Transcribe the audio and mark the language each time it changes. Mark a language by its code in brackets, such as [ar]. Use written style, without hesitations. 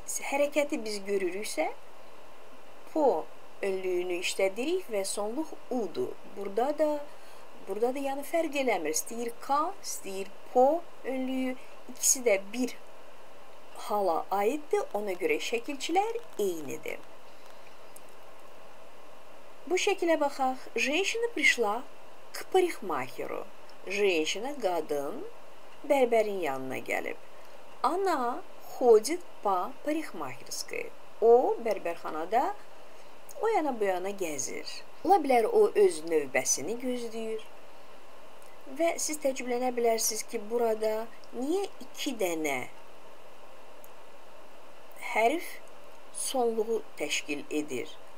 [az] Hərəkəti biz görürüksə po önlüyünü işlədirik və sonluq u-dur. Burada da yəni fərq eləmir. İstəyir ka, istəyir po önlüyü. İkisi də bir hala aiddir. Ona görə şəkilçilər eynidir. Bu şəkilə baxaq. [ru] Женщина пришла к парикмахеру. [az] Женщина, qadın, bərbərin yanına gəlib. [ru] Она ходит по парикмахерской. [az] O, bərbərxanada o yana bu yana gəzir. Ola bilər o öz növbəsini gözləyir. Və siz təcrübələnə bilərsiniz ki, burada niyə iki dənə hərf sonluğu təşkil edir?